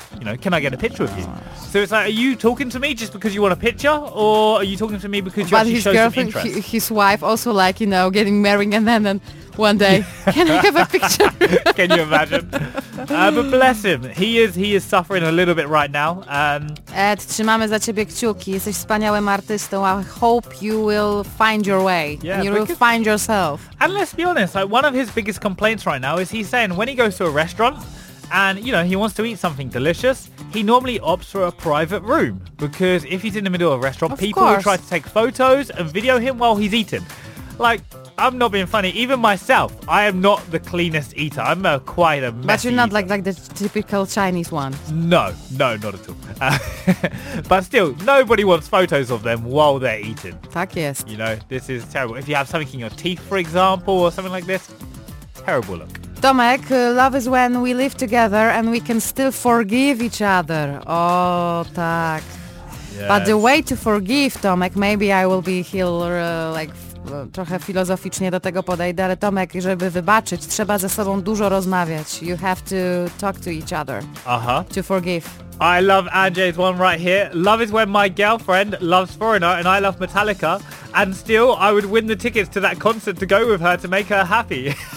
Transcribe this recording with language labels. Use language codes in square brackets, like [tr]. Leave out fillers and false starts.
[en] You know, can I get a picture of you? So it's like, are you talking to me just because you want a picture, or are you talking to me because you but actually his show girlfriend, some interest? His wife also, like, you know, getting married and then one day. Can I have a picture? Can you imagine? But bless him. He is suffering a little bit right now. [pl] Ed, trzymamy za ciebie kciuki. Jesteś wspaniałym artystą. [en] I hope you will find your way. Yeah, and you will find yourself. And let's be honest, like, one of his biggest complaints right now is he's saying when he goes to a restaurant and, you know, he wants to eat something delicious, he normally opts for a private room. Because if he's in the middle of a restaurant, people will try to take photos and video him while he's eating. Like, I'm not being funny. Even myself, I am not the cleanest eater. I'm quite a messy But you're not eater. like the typical Chinese one. No, not at all. but still, nobody wants photos of them while they're eating. [pl] Tak jest. [en] You know, this is terrible. If you have something in your teeth, for example, or something like this, terrible look. Tomek, love is when we live together and we can still forgive each other. [pl] Oh, tak. [en] Yes. But the way to forgive, Tomek, maybe I will be healer, like... [pl] Trochę filozoficznie do tego podejdę, ale Tomek, żeby wybaczyć, trzeba ze sobą dużo rozmawiać. [en] You have to talk to each other. Aha. To forgive. I love Andrzej's one right here. Love is when my girlfriend loves Foreigner and I love Metallica. And still, I would win the tickets to that concert to go with her to make her happy.